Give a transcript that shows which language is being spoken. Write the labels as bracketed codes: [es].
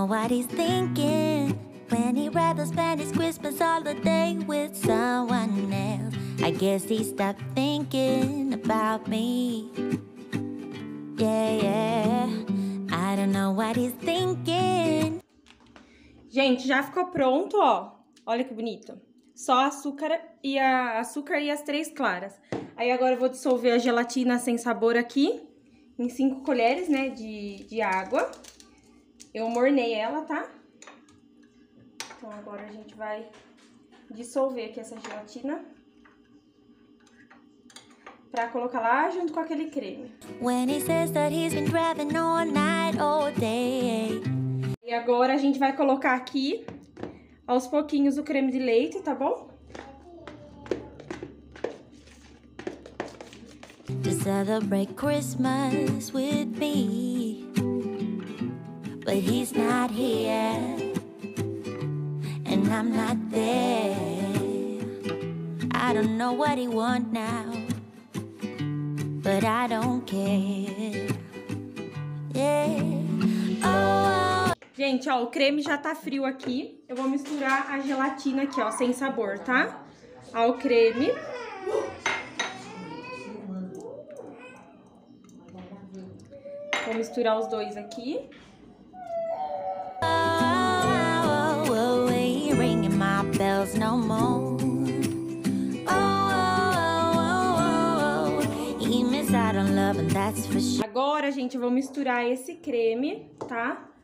[en] he's thinking when he'd rather spend his Christmas holiday with someone else. I guess he stopped thinking about me. Yeah, yeah. I don't know what he's thinking. [pt] Gente, já ficou pronto, ó. Olha que bonito. Só açúcar e as três claras. Aí agora eu vou dissolver a gelatina sem sabor aqui em 5 colheres, né, de água. Eu mornei ela, tá? Então agora a gente vai dissolver aqui essa gelatina pra colocar lá junto com aquele creme. [en] When he says that he's been driving all night, all day. [pt] E agora a gente vai colocar aqui aos pouquinhos o creme de leite, tá bom? [en] To celebrate Christmas with me. But he's not here. And I'm not there. I don't know what he wants now. But I don't care. Yeah. Oh. [pt] Gente, ó, o creme já tá frio aqui. Eu vou misturar a gelatina aqui, ó, sem sabor, tá? Ao creme. Vou misturar os dois aqui. [en] Oh, oh, oh, oh, oh, ain't ringing my bells no more. Oh, oh, oh, oh, oh, he missed out on love and that's for sure. [pt] Agora, gente, eu vou misturar esse creme, tá?